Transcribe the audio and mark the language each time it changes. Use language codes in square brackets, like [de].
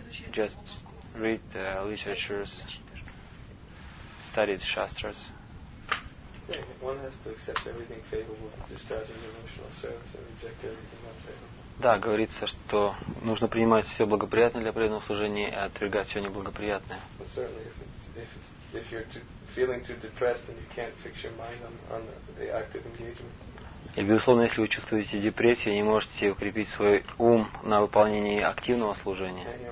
[en] Just read literatures, study the shastras. Yeah, one has to accept everything favorable, discharging emotional service and reject everything unfavorable. [ru] Да, говорится, что нужно принимать все благоприятное для преданного служения и отвергать все неблагоприятное. [en] But certainly, if you're feeling too depressed and you can't fix your mind on the active engagement. [ru] И безусловно, если вы чувствуете депрессию, не можете укрепить свой ум на выполнении активного служения.